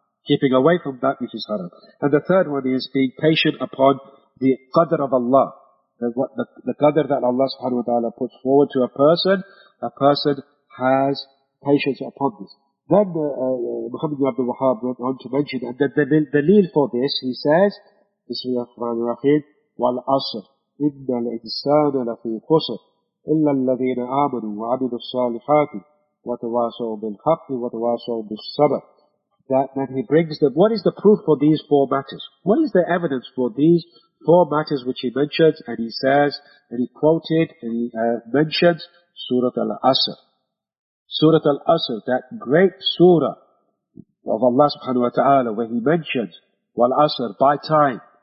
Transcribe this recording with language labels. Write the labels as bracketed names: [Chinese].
[English] Keeping away from that which is haram. And the third one is being patient upon the qadr of Allah. The qadr that Allah subhanahu wa ta'ala puts forward to a person has patience upon this. Then Muhammad ibn Abdul Wahhab went on to mention, and the dalil for this, he says, [Arabic] بسم الله الرحمن الرحيم والعصر إن الإنسان لفي خسر إلا الذين آمنوا وعملوا الصالحات وتواصوا بالحق وتواصوا بالصبر. [English] That he brings them. What is the proof for these four matters? What is the evidence for these four matters which he mentions? And he says, and he quoted, and he mentions Surah Al-Asr. Surah Al-Asr, that great surah of Allah subhanahu wa ta'ala, where he mentions, Wal-Asr, by time.